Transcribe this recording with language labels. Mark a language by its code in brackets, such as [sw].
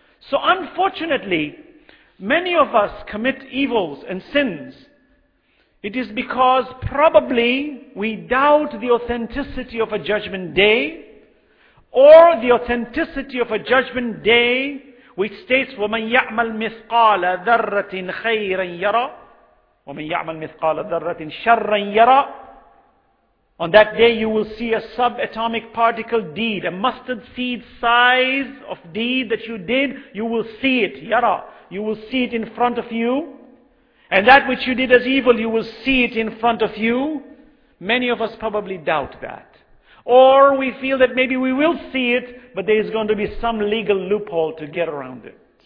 [en] So unfortunately, many of us commit evils and sins. It is because probably we doubt the authenticity of a judgment day, or the authenticity of a judgment day which states, [ar] وَمَنْ يَعْمَلْ مِثْقَالَ ذَرَّةٍ خَيْرًا يَرَى وَمَنْ يَعْمَلْ مِثْقَالَ ذَرَّةٍ شَرًّا يَرَى. [en] On that day you will see a subatomic particle deed, a mustard seed size of deed that you did, you will see it, yara. You will see it in front of you. And that which you did as evil, you will see it in front of you. Many of us probably doubt that. Or we feel that maybe we will see it, but there is going to be some legal loophole to get around it.